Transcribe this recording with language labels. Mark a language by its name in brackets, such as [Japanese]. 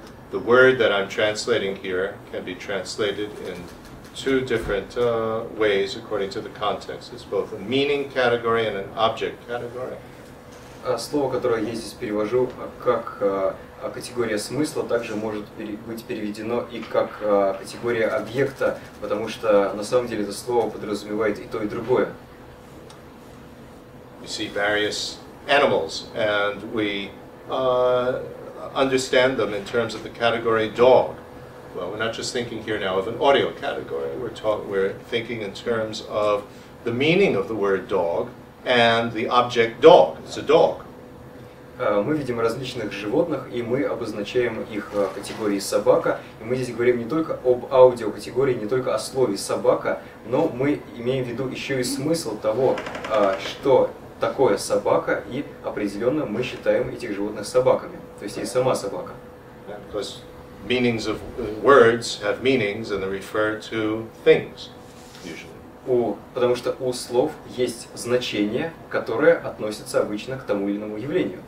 [English] The word that I'm translating here can be translated in two different ways according to the context. It's both a meaning category and an object category. [Russian] Слово, которое я здесь перевожу как категория смысла, также может быть переведено и как категория объекта, потому что на самом деле это слово подразумевает и то, и другое. [English] We see various animals, and we understand them in terms of the category dog. well, we're not just thinking here now of an audio category. We're thinking in terms of the meaning of the word dog and the object dog. It's a dog. [Russian] Мы видим различных животных, и мы обозначаем их категории собака. И мы здесь говорим не только об аудиокатегории, не только о слове собака, но мы имеем в виду еще и смысл того, что такое собака, и определенно мы считаем этих животных собаками. То есть и сама собака. [English] Because meanings of words have meanings and they refer to things, usually. [Russian] Потому что у слов есть значение, которое относится обычно к тому или иному явлению.